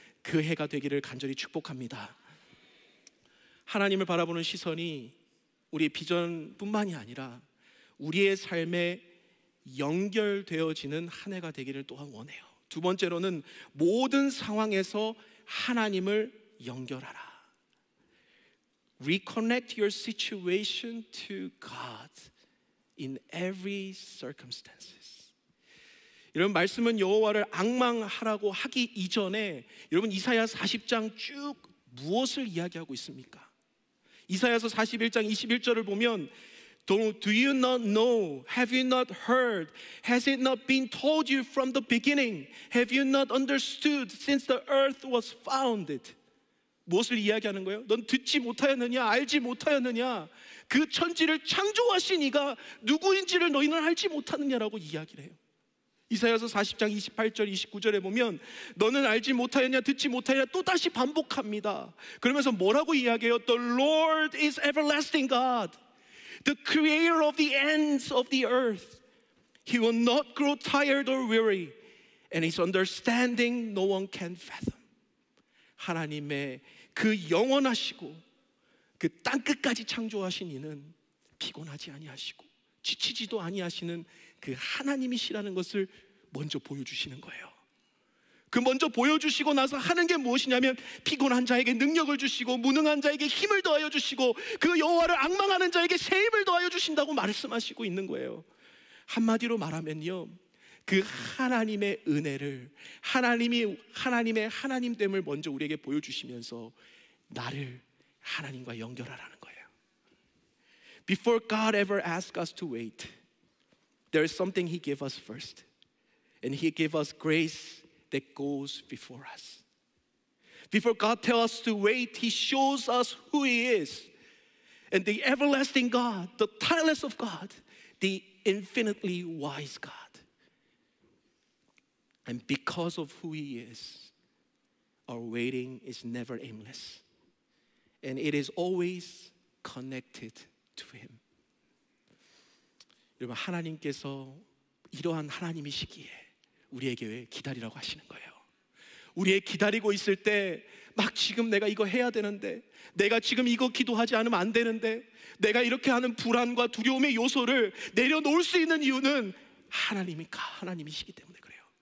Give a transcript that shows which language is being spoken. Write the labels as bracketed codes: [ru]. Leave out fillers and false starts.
[ko] 그 해가 되기를 간절히 축복합니다. 하나님을 바라보는 시선이 우리의 비전뿐만이 아니라 우리의 삶에 연결되어지는 한 해가 되기를 또한 원해요. 두 번째로는 모든 상황에서 하나님을 연결하라. [en] Reconnect your situation to God in every circumstances. [ko] 여러분, 말씀은 여호와를 앙망하라고 하기 이전에 여러분 이사야 40장 쭉 무엇을 이야기하고 있습니까? 이사야서 41장 21절을 보면 [en] Do you not know? Have you not heard? Has it not been told you from the beginning? Have you not understood since the earth was founded? [ko] 무엇을 이야기하는 거예요? 넌 듣지 못하였느냐? 알지 못하였느냐? 그 천지를 창조하신 이가 누구인지를 너희는 알지 못하느냐라고 이야기를 해요. 이사야서 40장 28절 29절에 보면 너는 알지 못하였냐 듣지 못하였냐 또다시 반복합니다. 그러면서 뭐라고 이야기해요? [en] The Lord is everlasting God, the creator of the ends of the earth. He will not grow tired or weary, and his understanding no one can fathom. [ko] 하나님의 그 영원하시고 그 땅끝까지 창조하신 이는 피곤하지 아니하시고 지치지도 아니하시는 그 하나님이시라는 것을 먼저 보여주시는 거예요. 그 먼저 보여주시고 나서 하는 게 무엇이냐면 피곤한 자에게 능력을 주시고 무능한 자에게 힘을 더하여 주시고 그 여호와를 앙망하는 자에게 새 힘을 더하여 주신다고 말씀하시고 있는 거예요. 한마디로 말하면요, 그 하나님의 은혜를 하나님이 하나님의 하나님됨을 먼저 우리에게 보여주시면서 나를 하나님과 연결하라는 거예요. [en] Before God ever asks us to wait, there is something He gave us first. And He gave us grace that goes before us. Before God tells us to wait, He shows us who He is. And the everlasting God, the tireless of God, the infinitely wise God. And because of who He is, our waiting is never aimless. And it is always connected to Him. [ko] 여러분, 하나님께서 이러한 하나님이시기에 우리에게 왜 기다리라고 하시는 거예요? 우리의 기다리고 있을 때 막 지금 내가 이거 해야 되는데 내가 지금 이거 기도하지 않으면 안 되는데 내가 이렇게 하는 불안과 두려움의 요소를 내려놓을 수 있는 이유는 하나님이니까, 하나님이시기 때문에 그래요.